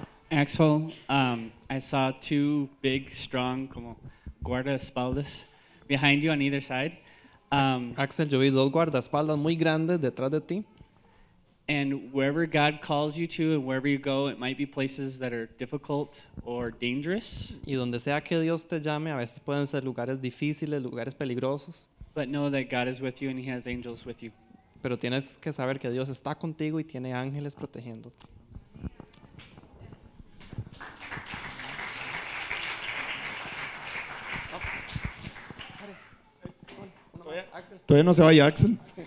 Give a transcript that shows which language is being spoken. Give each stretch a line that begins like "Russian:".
English: Axel, I saw two big, strong,
Spanish: como guardaespaldas
English: behind you on either side.
Spanish: Axel, yo vi dos guardaespaldas muy grandes detrás de ti.
English: And wherever God calls you to and wherever you go, it might be places that are difficult or dangerous.
Spanish: Y donde sea que Dios te llame, a veces pueden ser lugares difíciles, lugares peligrosos.
English: But know that God is with you and he has angels with you.
Spanish: Pero tienes que saber que Dios está contigo y tiene ángeles protegiéndote. Todavía no se vaya, Axel.